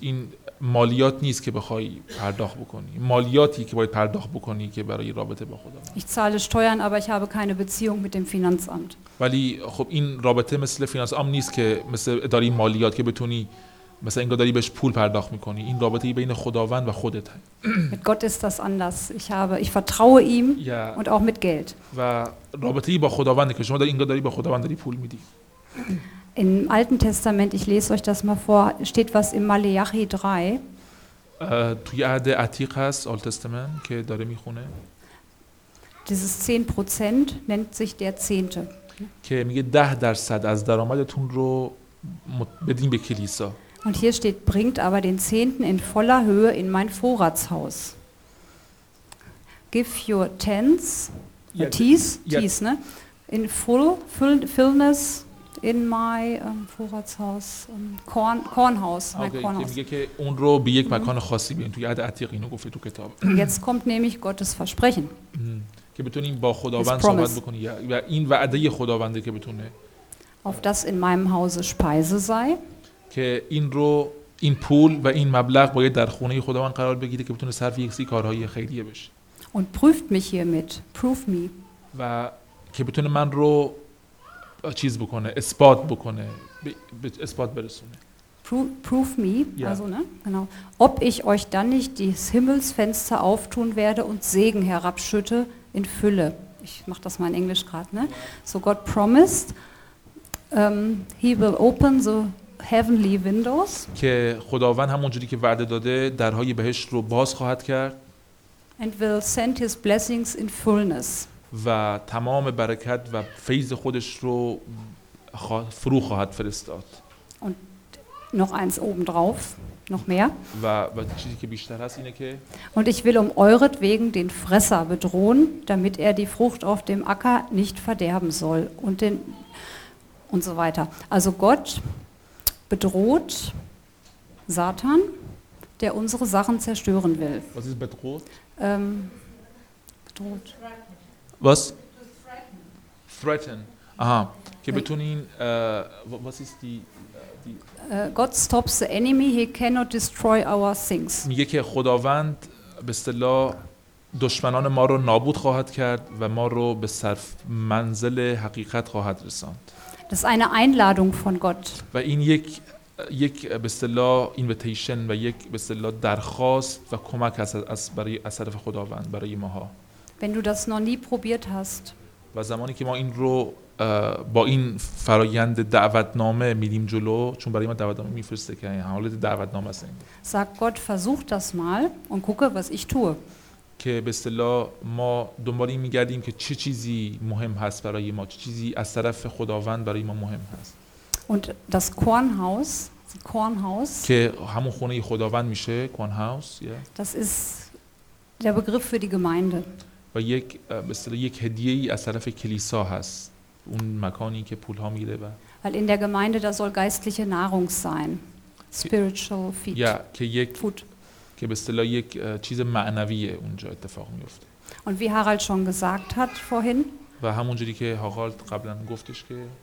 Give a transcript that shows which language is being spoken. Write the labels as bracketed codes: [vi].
[fa] این مالیات نیست که بخوای پرداخت بکنی. مالیاتی که باید پرداخت بکنی که برای رابطه با خداوند. [de] Ich zahle Steuern, aber ich habe keine Beziehung mit dem Finanzamt. [fa] ولی خب این رابطه مثل فینانسامت نیست که مثل اداره مالیات که بتونی مثلا اینگاه داری بهش پول پرداخت میکنی. این رابطه ای بین خداوند و خودت هست. [de] Mit Gott ist das anders. Ich vertraue ihm und auch mit Geld. [fa] و رابطه ای با خداوند که شما داری اینگاه داری با خداوند داری پول میدی. [de] Im Alten Testament, ich lese euch das mal vor, steht was in Maleachi 3. [fa] توی عهد عتیق هست, [en] Old Testament, [fa] که داره میخونه. [de] Dieses 10% nennt sich der Zehnte. [fa] که میگه 10% از درآمدتون رو بدین به کلیسا. [de] Und hier steht, bringt aber den Zehnten in voller Höhe in mein Vorratshaus. [en] Give your tenths, tees, in fullness in my [de] Vorratshaus, Kornhaus, okay, mein Kornhaus. Jetzt kommt nämlich Gottes Versprechen. [fa] که بتونیم با خداوند صحبت بکنیم و این وعده خداونده که بتونه [de] auf das in meinem Hause Speise sei. [fa] که این رو این پول و این مبلغ باید در خونه خداوند قرار بگیره که بتونه صرف یک سری کارهای خیریه بشه. [de] Und prüft mich hiermit. Prüft mich. [fa] و که بتونه من رو چیز بکنه، اثبات بکنه، به اثبات برسونه. [de] Prüft mich, also ne? Genau. Ob ich euch dann nicht das Himmelsfenster auftun werde und Segen herabschütte in Fülle. Ich mach das mal in Englisch gerade, ne? [en] So God promised, he will open the heavenly windows. [fa] که خداوند همونجوری که وعده داده درهای بهشت رو باز خواهد کرد. [en] And will send his blessings in fullness. [fa] و تمام برکت و فیض خودش رو فرو خواهد فرستاد. [de] Und noch eins oben drauf, noch mehr. [fa] و چیزی که بیشتر هست اینه که [de] Und ich will um euretwegen den Fresser bedrohen, damit er die Frucht auf dem Acker nicht verderben soll und den und so weiter. Also Gott bedroht Satan, der unsere Sachen zerstören will. Was ist bedroht? Bedroht. Was? Threaten. Aha. Okay, betonen, was ist die... die [en] God stops the enemy, he cannot destroy our things. [fa] میگه که خداوند به اصطلاح دشمنان ما رو نابود خواهد کرد و ما رو به صرف منزل حقیقت خواهد رساند. [de] Das ist eine Einladung von Gott. [fa] و این یک به اصطلاح invitation و یک به اصطلاح درخواست و کمک از برای از طرف خداوند برای ماها. [de] Wenn du das noch nie probiert hast. [fa] و زمانی که ما این رو با این فرایند دعوتنامه میدیم جلو چون برای ما دعوتنامه میفرسته که این حالت دعوتنامه است. [de] Sag Gott, versuch das mal und gucke, was ich tue. [fa] که به اصطلاح ما دنبال این میگردیم که چه چیزی مهم هست برای ما، چه چیزی از طرف خداوند برای ما مهم هست. [de] Und das Kornhaus, Kornhaus. [fa] که همون خونه خداوند میشه, Kornhaus, yeah. [de] Das ist der Begriff für die Gemeinde. [fa] و یک به اصطلاح یک هدیه ای از طرف کلیسا هست. اون مکانی که پول ها میره و [de] Weil in der Gemeinde da soll geistliche Nahrung sein. [en] Spiritual feed. [fa] Yeah, که یک food. که به اصطلاح یک چیز معنویه اونجا اتفاق میفته. [de] Und wie Harald schon gesagt hat vorhin. [fa] و همونجوری که هاگالد قبلا گفتش که